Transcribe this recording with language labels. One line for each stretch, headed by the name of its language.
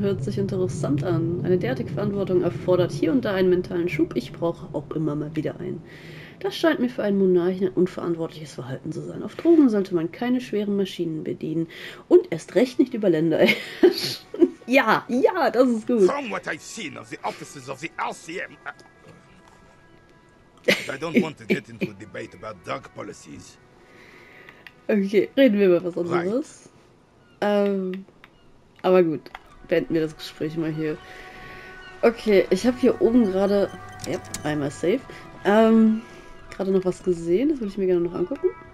German: Hört sich interessant an. Eine derartige Verantwortung erfordert hier und da einen mentalen Schub. Ich brauche auch immer mal wieder einen. Das scheint mir für einen Monarchen ein unverantwortliches Verhalten zu sein. Auf Drogen sollte man keine schweren Maschinen bedienen und erst recht nicht über Länder herrschen. Ja, ja, das ist gut.
English: From what I've seen of the offices of the RCM, I don't want to get into a debate about drug policies.
German: Okay, reden wir über was anderes.
English: Right.
German: Aber gut, beenden wir das Gespräch mal hier. Okay, ich habe hier oben gerade, yep, einmal safe. Gerade noch was gesehen, das würde ich mir gerne noch angucken.